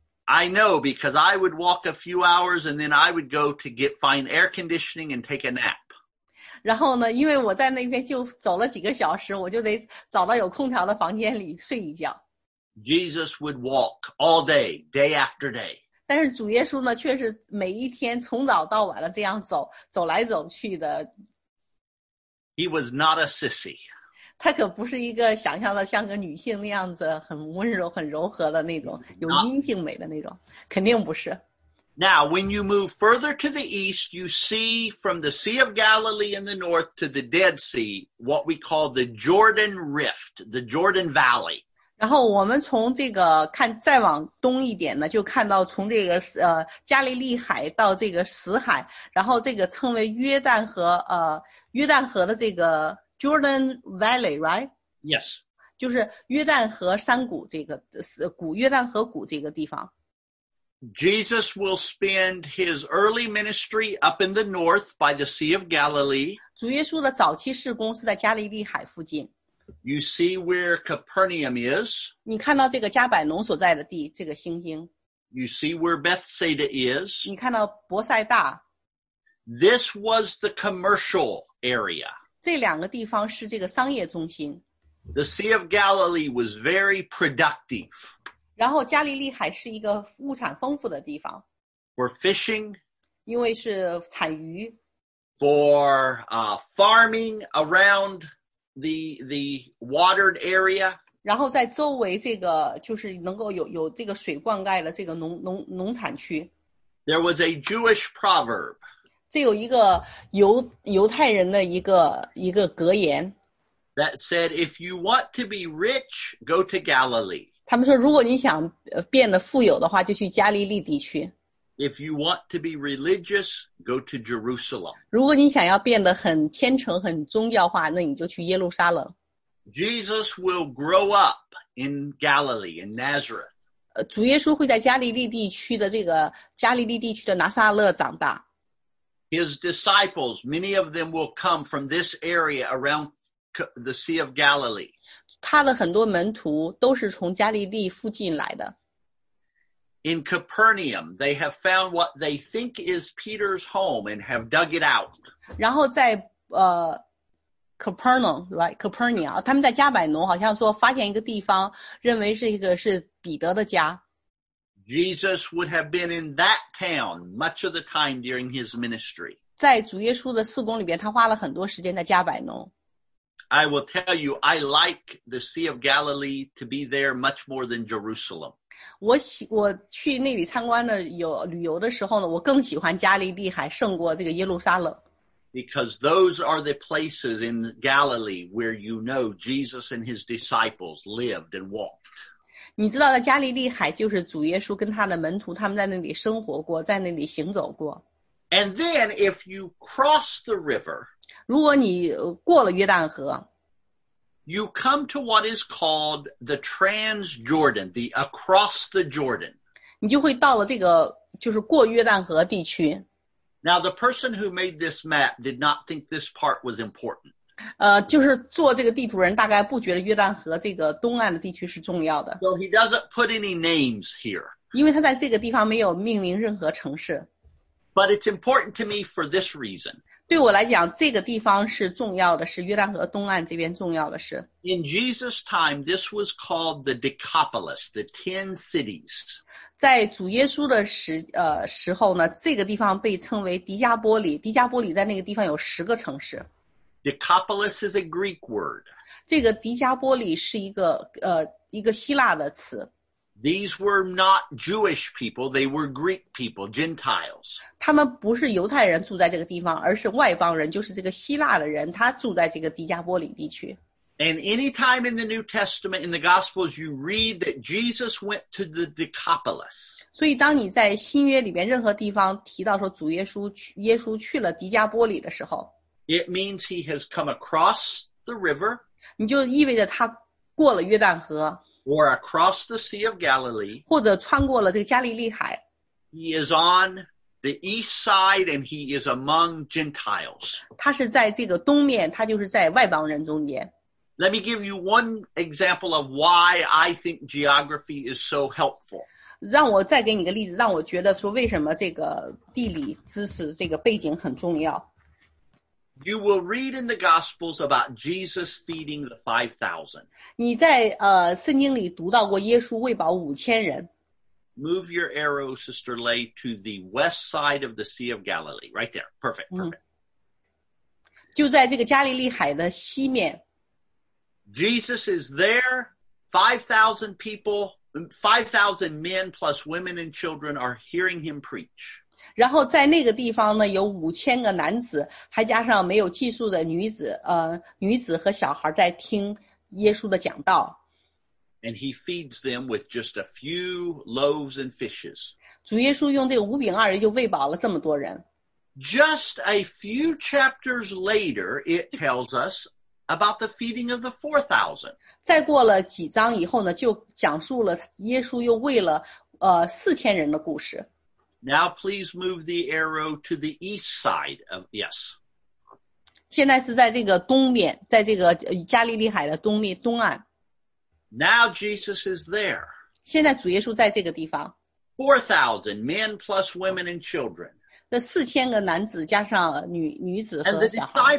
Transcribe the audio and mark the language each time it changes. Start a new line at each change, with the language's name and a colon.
English: I know because I would walk a few hours and then I would go to find air conditioning and take a nap.
Chinese: 然后呢，因为我在那边就走了几个小时，我就得找到有空调的房间里睡一觉。
English: Jesus would walk all day, day after day.
Chinese: 但是主耶稣呢，却是每一天从早到晚的这样走，走来走去的。
English: He was not a sissy.
Chinese: 他可不是一个想象的像个女性那样子很温柔很柔和的那种有阴性美的那种，肯定不是。
English: Now, when you move further to the east, you see from the Sea of Galilee in the north to the Dead Sea, what we call the Jordan Rift, the Jordan Valley.
Chinese: 然后我们从这个看再往东一点呢，就看到从这个加利利海到这个死海，然后这个称为约旦河的这个Jordan Valley,
English: right? Yes.
Chinese: 就是约旦河山谷这个谷，约旦河谷这个地方。
English: Jesus will spend his early ministry up in the north by the Sea of Galilee.
Chinese: 主耶稣的早期事工是在加利利海附近。
English: You see where Capernaum is.
Chinese: 你看到这个加百农所在的地，这个星星。
English: You see where Bethsaida is.
Chinese: 你看到伯塞大。
English: This was the commercial area.
Chinese: 这两个地方是这个商业中心。
English: The Sea of Galilee was very productive.
Chinese: 然后加利利海是一个物产丰富的地方。
English: For fishing.
Chinese: 因为是产鱼。
English: For farming around the watered area.
Chinese: 然后在周围这个就是能够有这个水灌溉的这个农产区。
English: There was a Jewish proverb.
Chinese: 这有一个犹太人的一个格言。
English: That said, if you want to be rich, go to Galilee.
Chinese: 他们说如果你想变得富有的话就去加利利地区。
English: If you want to be religious, go to Jerusalem.
Chinese: 如果你想要变得很虔诚很宗教化那你就去耶路撒冷。
English: Jesus will grow up in Galilee, in Nazareth.
Chinese: 主耶稣会在加利利地区的这个加利利地区的拿撒勒长大。
English: His disciples, many of them will come from this area around the Sea of Galilee.
Chinese: 他的很多门徒都是从加利利附近来的。
English: In Capernaum, they have found what they think is Peter's home and have dug it out.
Chinese: 然后在Capernaum,
English: right,
Chinese: Capernaum, 他们在加百农好像说发现一个地方认为这个是彼得的家。
English: Jesus would have been in that town much of the time during his ministry.
Chinese: 在主耶稣的事工里边他花了很多时间在加百农。
English: I will tell you, I like the Sea of Galilee to be there much more than Jerusalem.
Chinese: 我去那里参观的旅游的时候呢我更喜欢加利利海胜过这个耶路撒冷。
English: Because those are the places in Galilee where you know Jesus and his disciples lived and walked.
Chinese: 你知道的加利利海就是主耶稣跟他的门徒他们在那里生活过在那里行走过。
English: And then if you cross the river,
Chinese: 如果你过了约旦河
English: you come to what is called the Transjordan, the across the Jordan.
Chinese: 你就会到了这个就是过约旦河地区。
English: Now the person who made this map did not think this part was important.
Chinese: 就是做这个地图人大概不觉得约旦河这个东岸的地区是重要的。
English: So he doesn't put any names here.
Chinese: 因为他在这个地方没有命名任何城市。
English: But it's important to me for this reason.
Chinese: 对我来讲这个地方是重要的是约旦河东岸这边重要的是。
English: In Jesus' time, this was called the Decapolis, the Ten Cities.
Chinese: 在主耶稣的时候呢这个地方被称为迪加波里迪加波里在那个地方有十个城市。
English: Decapolis is a Greek word.
Chinese: 这个迪加波里是一个希腊的词。
English: These were not Jewish people, they were Greek people, Gentiles.
Chinese: 他们不是犹太人住在这个地方而是外邦人就是这个希腊的人他住在这个迪加波里地区。
English: And any time in the New Testament, in the Gospels, you read that Jesus went to the Decapolis.
Chinese: 所以当你在新约里面任何地方提到说主耶稣去了迪加波里的时候。
English: It means he has come across the river.
Chinese: 你就意味着他过了约旦河。
English: Or across the Sea of Galilee.
Chinese: 或者穿过了这个加利利海。
English: He is on the east side and he is among Gentiles.
Chinese: 他是在这个东面他就是在外邦人中间。
English: Let me give you one example of why I think geography is so helpful.
Chinese: 让我再给你个例子让我觉得说为什么这个地理知识这个背景很重要。
English: You will read in the Gospels about Jesus feeding the 5,000.
Chinese: 你在圣经里读到过耶稣喂饱五千人。
English: Move your arrow, Sister Lay, to the west side of the Sea of Galilee. Right there. Perfect, perfect.
Chinese: 就在这个加利利海的西面。
English: Jesus is there. 5,000 people, 5,000 men plus women and children are hearing him preach.
Chinese: 然后在那个地方呢有五千个男子还加上没有寄宿的女子和小孩在听耶稣的讲道。
English: And he feeds them with just a few loaves and fishes.
Chinese: 主耶稣用这个五饼二鱼就喂饱了这么多人。
English: Just a few chapters later, it tells us about the feeding of the 4,000.
Chinese: 再过了几章以后呢就讲述了耶稣又喂了四千人的故事。
English: Now please move the arrow to the east side of, yes.
Chinese: 现在是在这个东边，在这个加利利海的东面东岸。
English: Now Jesus is there.
Chinese: 现在主耶稣在这个地方。
English: 4,000 men plus women and children.
Chinese: 这四千个男子加上 女子和小孩。